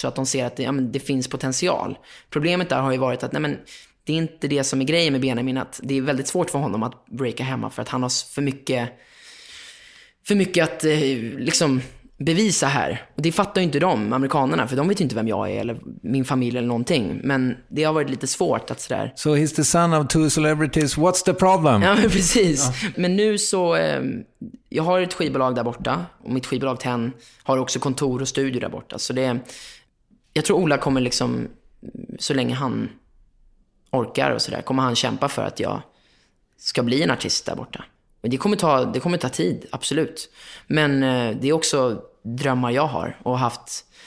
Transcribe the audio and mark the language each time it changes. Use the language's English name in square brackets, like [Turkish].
[Swedish] Så att de ser att det finns potential. Problemet där har ju varit att det är inte det som är grejen med Benjamin. Att det är väldigt svårt för honom att breaka hemma för att han har för mycket att liksom bevisa här. Och det fattar ju inte de, amerikanerna, för de vet ju inte vem jag är eller min familj eller någonting. Men det har varit lite svårt att sådär... [English] So he's the son of two celebrities, what's the problem? [Swedish] Ja, men precis. Ja. Men nu så... jag har ett skivbolag där borta och mitt skivbolag Ten har också kontor och studio där borta. Så det... Jag tror Ola kommer liksom, så länge han orkar och sådär, kommer han kämpa för att jag ska bli en artist där borta. Men det kommer ta tid, absolut. Men det är också drömmar jag har och haft.